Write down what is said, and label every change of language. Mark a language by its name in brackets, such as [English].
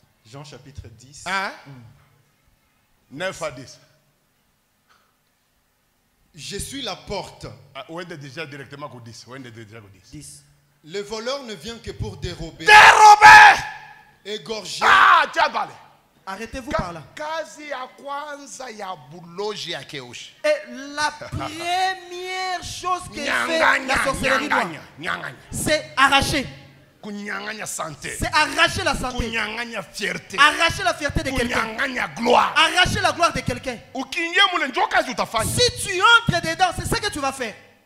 [French] Jean chapitre 10. Hein? 9 à 10. Je suis la porte. Ah, on est déjà directement au 10. On est déjà au 10. 10. Le voleur ne vient que pour dérober. Dérober! Égorger. Ah, tu as parlé. Arrêtez-vous par là. [Swahili] Kazi ya kwanza ya buloji ya keushi. [French] Et la première chose que fait la sorcellerie, c'est arracher. C'est arracher la santé. Arracher la fierté de quelqu'un. Arracher la gloire de quelqu'un. Si tu entres dedans, c'est ça que tu vas faire.